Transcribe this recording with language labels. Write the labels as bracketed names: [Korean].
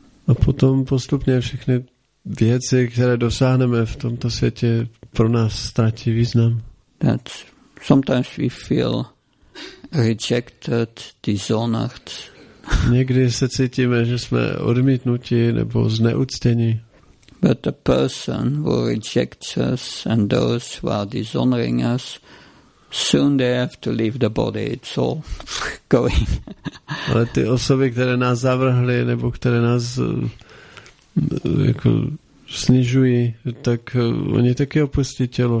[Czech] A potom postupně všechny věci, které dosáhneme v tomto světě, pro nás ztratí význam. [English] That sometimes we feel rejected, dishonored. [Czech] Někdy se cítíme, že jsme odmítnuti nebo zneuctěni. [English] But the person who rejects us and those who are dishonoring us, soon they have to leave the body. It's all going. [Czech] Ale ty osoby, které nás zavrhly nebo které nás jako snižují, tak oni taky opustí tělo.